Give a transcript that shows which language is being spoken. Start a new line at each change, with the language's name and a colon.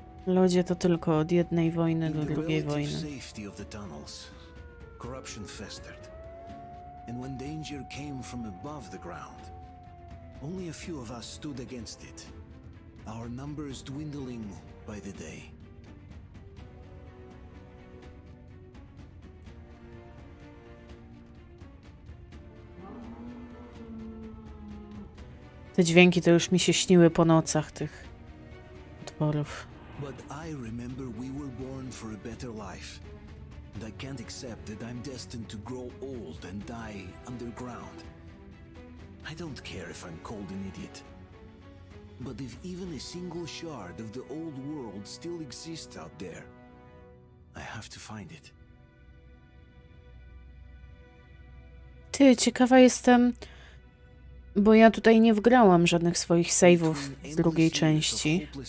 Polish: Ludzie to tylko od jednej wojny do drugiej wojny.
English: In the relative safety of the tunnels, corruption festered. And when danger came from above the ground, only a few of us stood against it. Our numbers dwindling by the day.
Polish: Te dźwięki to już mi się śniły po nocach tych utworów.
English: But I remember we were born for a better life. And I can't accept that I'm destined to grow old and die underground. I don't care if I'm called an idiot. But if even a single shard of the old world still exists out there, I have to find it.
Polish: Ty, ciekawa jestem, bo ja tutaj nie wgrałam żadnych swoich save'ów z drugiej części.